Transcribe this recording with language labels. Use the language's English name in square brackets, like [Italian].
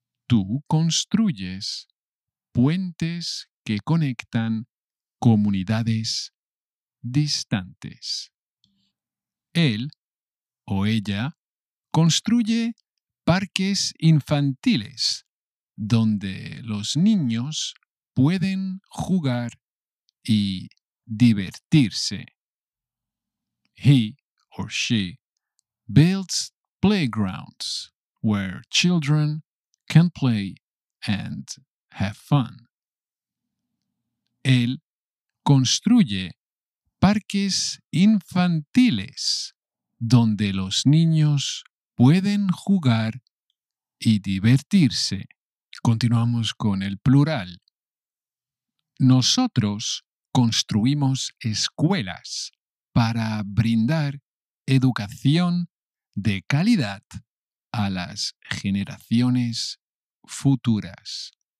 [Spanish] Tú construyes puentes que conectan comunidades distantes. Él o ella construye parques infantiles donde los niños pueden jugar y divertirse. [English] He or she builds playgrounds where children can play and have fun. [Spanish] Él construye parques infantiles donde los niños pueden jugar y divertirse. Continuamos con el plural. Nosotros construimos escuelas para brindar educación de calidad a las generaciones futuras.